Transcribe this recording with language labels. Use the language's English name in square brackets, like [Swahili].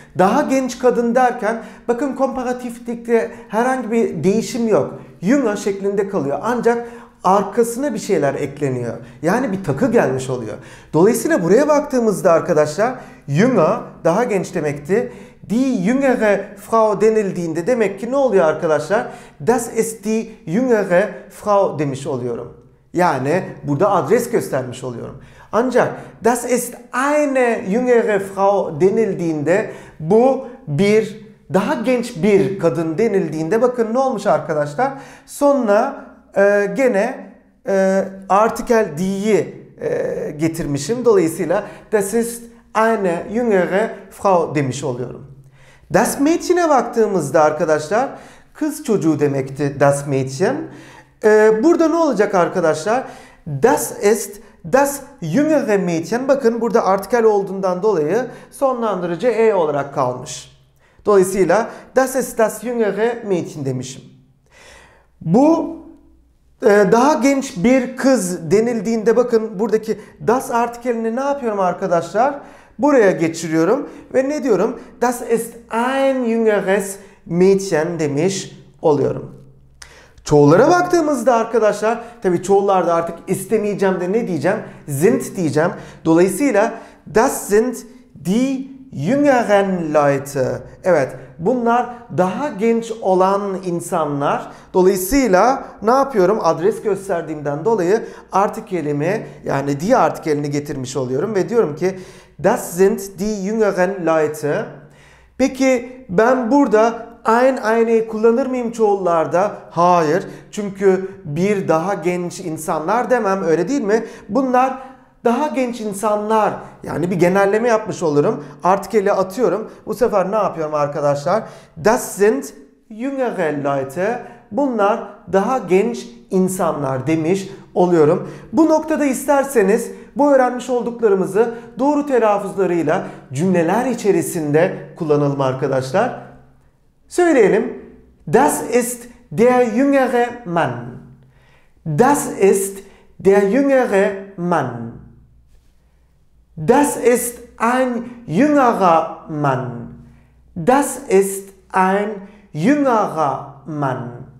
[Turkish] Daha genç kadın derken bakın komparatiflikte herhangi bir değişim yok. Jünger şeklinde kalıyor ancak arkasına bir şeyler ekleniyor. Yani bir takı gelmiş oluyor. Dolayısıyla buraya baktığımızda arkadaşlar Jünger daha genç demekti. [German] Die jüngere Frau [Turkish] denildiğinde demek ki ne oluyor arkadaşlar? [German] Das ist die jüngere Frau [Turkish] demiş oluyorum. Yani burada adres göstermiş oluyorum. Ancak [German] das ist eine jüngere Frau [Turkish] denildiğinde bu bir daha genç bir kadın denildiğinde bakın ne olmuş arkadaşlar? Sonuna gene artikel die'yi getirmişim. Dolayısıyla [German] das ist eine jüngere Frau [Turkish] demiş oluyorum. Das Mädchen'e baktığımızda arkadaşlar kız çocuğu demekti das Mädchen. Burada ne olacak arkadaşlar? [German] Das ist das jüngere Mädchen. [Turkish] Bakın burada artikel olduğundan dolayı sonlandırıcı e olarak kalmış. Dolayısıyla [German] das ist das jüngere Mädchen [Turkish] demişim. Bu daha genç bir kız denildiğinde bakın buradaki das artikelini ne yapıyorum arkadaşlar? Buraya geçiriyorum ve ne diyorum? [German] Das ist ein jüngeres Mädchen [Turkish] demiş oluyorum. Çoğullara baktığımızda arkadaşlar, tabii çoğullarda artık istemeyeceğim de ne diyeceğim? Sind diyeceğim. [German] Dolayısıyla das sind die jüngeren Leute. [Turkish] Evet, bunlar daha genç olan insanlar. Dolayısıyla ne yapıyorum? Adres gösterdiğimden dolayı artikelimi yani die artikelini getirmiş oluyorum ve diyorum ki [German] das sind die jüngeren Leute. [Turkish] Peki ben burada aynı kullanır mıyım çoğullarda? Hayır. Çünkü bir daha genç insanlar demem öyle değil mi? Bunlar daha genç insanlar. Yani bir genelleme yapmış olurum. Artikeli atıyorum. Bu sefer ne yapıyorum arkadaşlar? [German] Das sind jüngere Leute. [Turkish] Bunlar daha genç insanlar demiş oluyorum. Bu noktada isterseniz bu öğrenmiş olduklarımızı doğru telaffuzlarıyla cümleler içerisinde kullanalım arkadaşlar. Söyleyelim. [German] Das ist der jüngere Mann. Das ist der jüngere Mann. Das ist ein jüngerer Mann. Das ist ein jüngerer Mann.